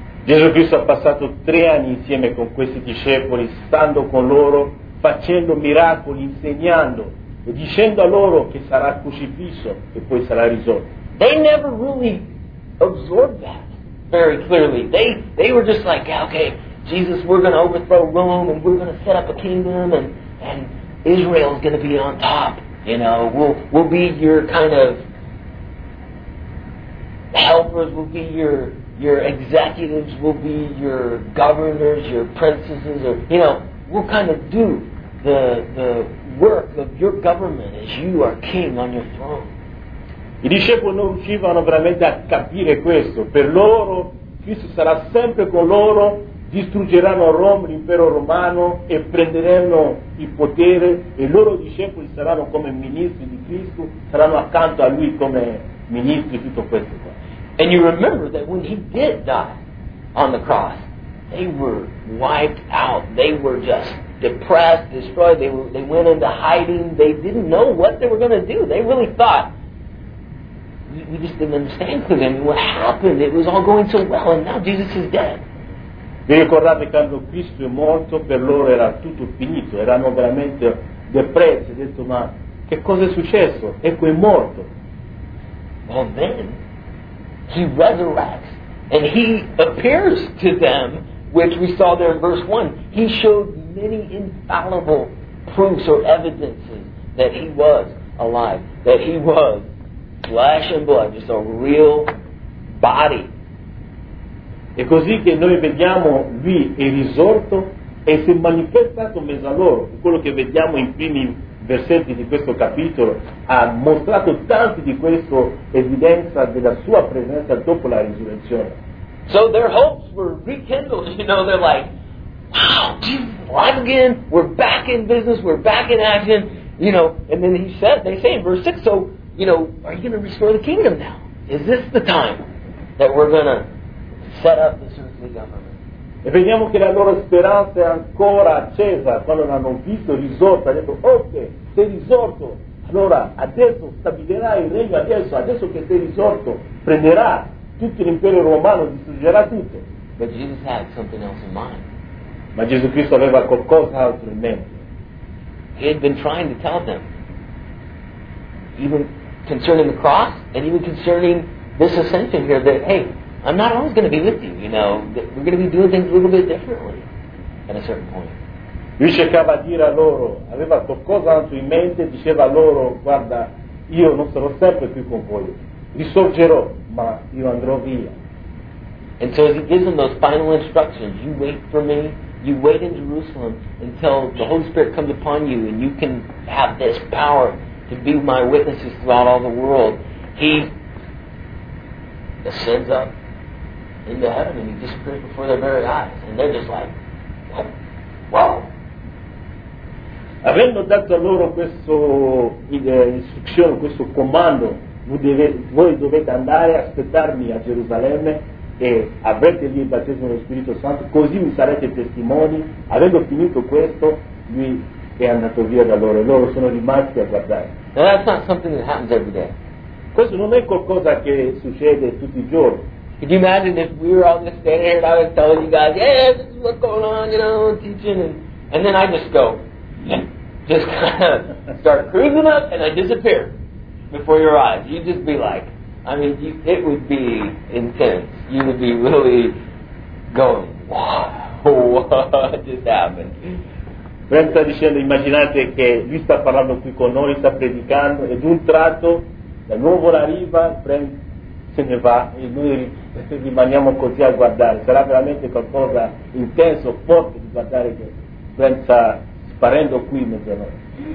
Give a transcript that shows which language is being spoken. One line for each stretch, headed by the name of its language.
Italian: Gesù Cristo ha passato 3 anni insieme con questi discepoli, stando con loro, facendo miracoli, insegnando e dicendo a loro che sarà crocifisso e poi sarà risorto.
English: They never really absorbed that very clearly. They were just like, okay, Jesus, we're going to overthrow Rome and we're going to set up a kingdom and Israel is going to be on top. You know, we'll be your kind of helpers, we'll be your executives, will be your governors, your princesses, or, you know, we'll kind of do the work of your government as you are king on your throne.
Italian: I discepoli non riuscivano veramente a capire questo. Per loro, Cristo sarà sempre con loro, distruggeranno Roma, l'impero romano, e prenderanno il potere, e i loro discepoli saranno come ministri di Cristo, saranno accanto a lui come ministri, tutto questo qua.
English: And you remember that when he did die on the cross, they were wiped out, they were just depressed, destroyed, they went into hiding, they didn't know what they were going to do, they really thought, we just didn't understand clearly. I mean, what happened, it was all going so well, and now Jesus is dead.
Italian: Vi ricordate quando Cristo è morto, per loro era tutto finito, erano veramente depressi, ho detto, ma che cosa è successo? Ecco, è morto.
English: Well, then, he resurrects, and he appears to them, which we saw there in verse 1. He showed many infallible proofs or evidences that he was alive, that he was flesh and blood, just a real body.
Italian: È così che noi vediamo lui è risorto e si è manifestato in mezzo a loro. Quello che vediamo in primi versetti di questo capitolo ha mostrato tanti di questa evidenza della sua presenza dopo la risurrezione.
English: So their hopes were rekindled, you know, they're like, wow, Jesus alive again, we're back in business, we're back in action, you know, and then they say in verse 6, so, you know, are you going to restore the kingdom now? Is this the time that we're going to set up this earthly government?
Italian: E vediamo che la loro speranza è ancora accesa quando l'hanno visto risorto, ha detto, ok, sei risorto, allora adesso stabilirai il regno, adesso che sei risorto, prenderà tutto l'impero romano, distruggerà tutto.
English: But Jesus had something else in mind.
Italian: Ma Gesù Cristo aveva qualcosa altro in mente.
English: He had been trying to tell them, even concerning the cross and even concerning this ascension here, that, hey, I'm not always going to be with you, you know. We're going to be doing things a little bit differently at a certain point.
Italian: Lui cercava di dire a loro, aveva qualcosa altro in mente, diceva loro, guarda, io non sarò sempre più con voi. Risorgerò, ma io andrò via.
English: And so as he gives them those final instructions, you wait for me, you wait in Jerusalem until the Holy Spirit comes upon you and you can have this power to be my witnesses throughout all the world. He ascends up into heaven and he disappears before their very eyes. And they're just like, whoa.
Italian: Avendo dato loro questo istruzione, questo comando, voi dovete andare a aspettarmi a Gerusalemme e avrete lì il battesimo dello Spirito Santo, così mi sarete testimoni. Avendo finito questo, lui è andato via da loro e loro sono rimasti a guardare.
English: Now that's not something that happens every day.
Italian: Questo non è qualcosa che succede tutti i giorni.
English: Could you imagine if we were all just there and I was telling you guys, yeah, this is what's going on, you know, teaching, and then I just go, just kind of start cruising up and I disappear before your eyes. You'd just be like, I mean, it would be intense. You would be really going, wow, what just happened?
Italian: Ben sta dicendo, immaginate che lui sta parlando qui con noi, sta predicando, ed un tratto, la nuvola arriva, se ne va, e noi rimaniamo così a guardare. Sarà veramente qualcosa intenso, forte di guardare che Ben sta sparendo qui in mezzo a noi.